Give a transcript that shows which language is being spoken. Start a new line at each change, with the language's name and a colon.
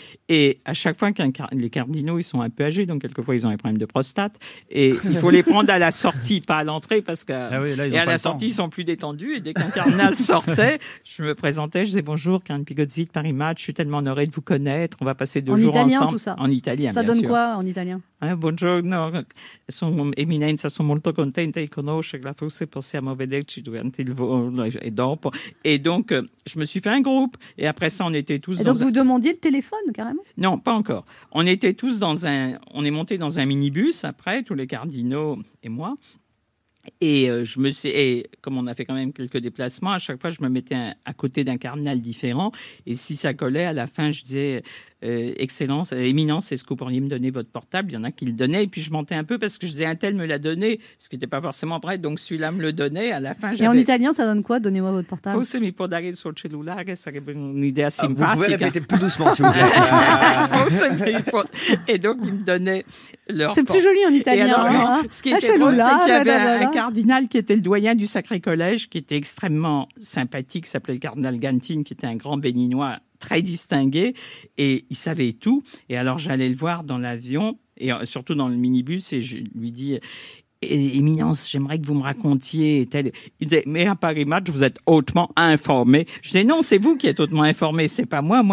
French: Et à chaque fois, les cardinaux, ils sont un peu âgés. Donc, quelquefois, ils ont des problèmes de prostate. Et il faut les prendre à la sortie, pas à l'entrée. Parce que ils sont plus détendus. Et dès qu'un cardinal sortait, je me présentais. Je disais, bonjour, Caroline Pigozzi de Paris Match. Je suis tellement honorée de vous connaître. On va passer deux en jours italien, ensemble. Tout ça. En italien, ça bien donne sûr. Quoi en italien?
Italian: Buongiorno, sono eminenza, sono molto contenta di conoscerla, forse possiamo vederci durante il volo et dopo.
French: Et donc, je me suis fait un groupe et après ça, on était tous... Et donc, dans vous un... demandiez le téléphone, carrément? Non, pas encore. On était tous dans un... On est montés dans un minibus après, tous les cardinaux et moi. Et je me suis... Et comme on a fait quand même quelques déplacements, à chaque fois, je me mettais à côté d'un cardinal différent. Et si ça collait, à la fin, je disais... Excellence, éminence, est-ce que vous pourriez me donner votre portable? Il y en a qui le donnaient. Et puis je mentais un peu parce que je disais, un tel me l'a donné, ce qui n'était pas forcément vrai. Donc celui-là me le donnait. À la fin, j'avais... Et en italien, ça donne quoi? Donnez-moi votre portable.
Italian: Forse mi può dare il suo cellulare, sarebbe un'idea simpatica.
French: Vous pouvez répéter plus doucement, s'il vous plaît. Et donc, il me donnait leur. C'est plus joli en italien. Alors, hein, ce qui était bon, c'est qu'il y avait un cardinal qui était le doyen du Sacré Collège, qui était extrêmement sympathique, s'appelait le cardinal Gantin, qui était un grand béninois. Très distingué et il savait tout. Et alors j'allais le voir dans l'avion et surtout dans le minibus et je lui dis « Éminence, j'aimerais que vous me racontiez. » Il disait « Mais à Paris Match, vous êtes hautement informé. » Je disais « Non, c'est vous qui êtes hautement informé, c'est pas moi.